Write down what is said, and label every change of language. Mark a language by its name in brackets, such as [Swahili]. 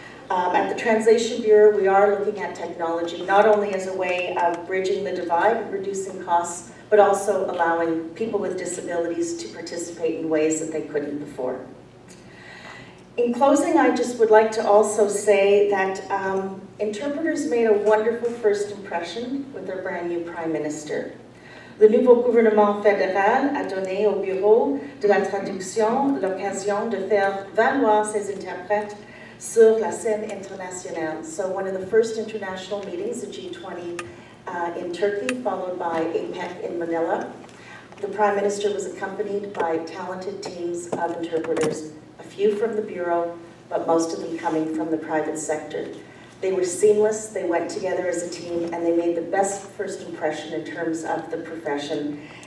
[English] At the Translation Bureau, we are looking at technology, not only as a way of bridging the divide, reducing costs, but also allowing people with disabilities to participate in ways that they couldn't before. In closing, I just would like to also say that interpreters made a wonderful first impression with their brand new Prime Minister. [French] Le nouveau gouvernement fédéral a donné au Bureau de la Traduction l'occasion de faire valoir ses interprètes sur la scène internationale. [English] So one of the first international meetings, the G20 in Turkey, followed by APEC in Manila. The Prime Minister was accompanied by talented teams of interpreters, a few from the Bureau, but most of them coming from the private sector. They were seamless, they went together as a team, and they made the best first impression in terms of the profession.